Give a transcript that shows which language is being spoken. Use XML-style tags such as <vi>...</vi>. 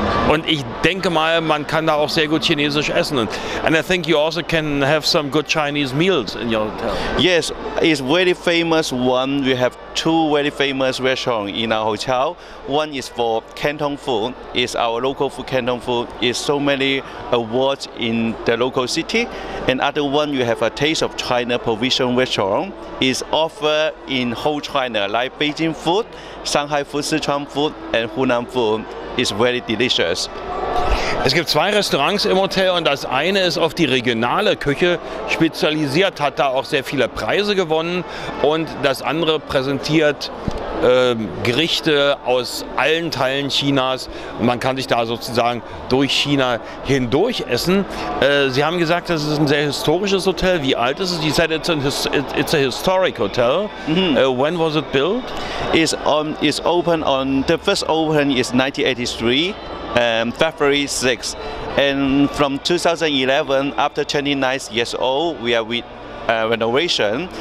<de>Und ich denke mal, man kann da auch sehr gut Chinesisch essen.</de> <en>And I think you also can have some good Chinese meals in your hotel. Yes, it's very famous one. We have two very famous restaurants in our hotel. One is for Canton food. It's our local food, Canton food. It's so many awards in the local city. And other one, you have a Taste of China provision restaurant. It's offered in whole China, like Beijing food, Shanghai food, Sichuan food, and Hunan food. It's very delicious.</en> <de>Es gibt zwei Restaurants im Hotel und das eine ist auf die regionale Küche spezialisiert, hat da auch sehr viele Preise gewonnen und das andere präsentiert Gerichte aus allen Teilen Chinas. Man kann sich da sozusagen durch China hindurch essen. Sie haben gesagt, das ist ein sehr historisches Hotel. Wie alt ist es?</de> <en>You said it's a historic hotel. Mm-hmm. When was it built? It's open on, the first open is 1983. February 6th, and from 2011, after 29 years old, we are with renovation.</en>